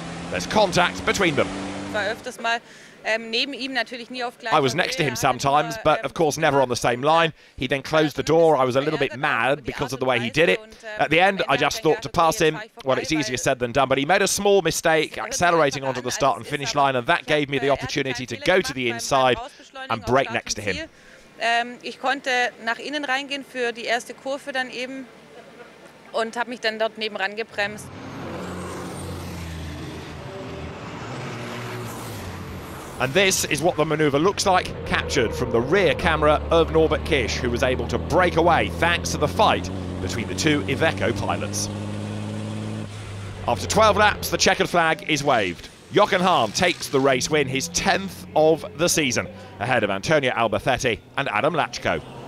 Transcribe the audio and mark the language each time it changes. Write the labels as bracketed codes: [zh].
[en] There's contact between them. I was next to him sometimes, but of course never on the same line. He then closed the door. I was a little bit mad because of the way he did it. At the end, I just thought to pass him. Well, it's easier said than done, but he made a small mistake accelerating onto the start and finish line, and that gave me the opportunity to go to the inside and break next to him. [de] Ich konnte nach innen reingehen für die erste Kurve dann eben und habe mich dann dort neben rangebremst. [en] And this is what the manoeuvre looks like, captured from the rear camera of Norbert Kish, who was able to break away thanks to the fight between the two Iveco pilots. After 12 laps, the chequered flag is waved. Jochen Hahn takes the race win, his 10th of the season, ahead of Antonio Albafetti and Adam Latchko.